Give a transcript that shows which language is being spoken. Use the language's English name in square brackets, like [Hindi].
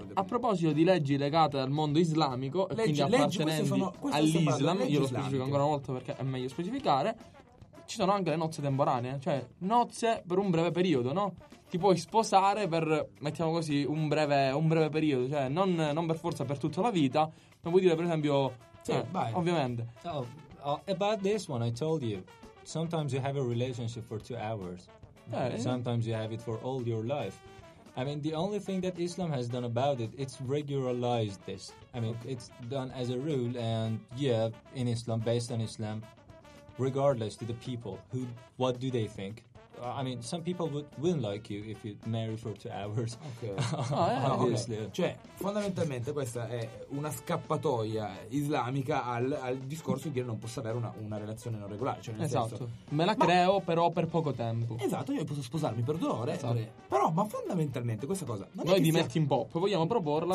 [Italian] A proposito di leggi legate al mondo islamico, quindi appartenenti all'Islam, io lo specifico ancora una volta perché è meglio specificare, ci sono anche le nozze temporanee, cioè nozze per un breve periodo, no? Ti puoi sposare per, mettiamo così, un breve periodo, cioè non per forza per tutta la vita, ma vuol dire per esempio... Sì, vai. Ovviamente. [English] Oh, about this one, I told you, sometimes you have a relationship for 2 hours. Sometimes you have it for all your life. I mean, the only thing that Islam has done about it, it's regularized this. I mean, okay. It's done as a rule, and yeah, in Islam, based on Islam, regardless to the people, who, what do they think? I mean, some people wouldn't like you if you marry for 2 hours. Okay. Oh, obviously. Okay. [Italian] Cioè, fondamentalmente questa è una scappatoia islamica al discorso di dire non posso avere una relazione non regolare. Cioè, esatto. Senso, me la creo però per poco tempo. Esatto, io posso sposarmi per 2 ore. Esatto. Però, ma fondamentalmente questa cosa... Non noi è di Melting Pop vogliamo proporla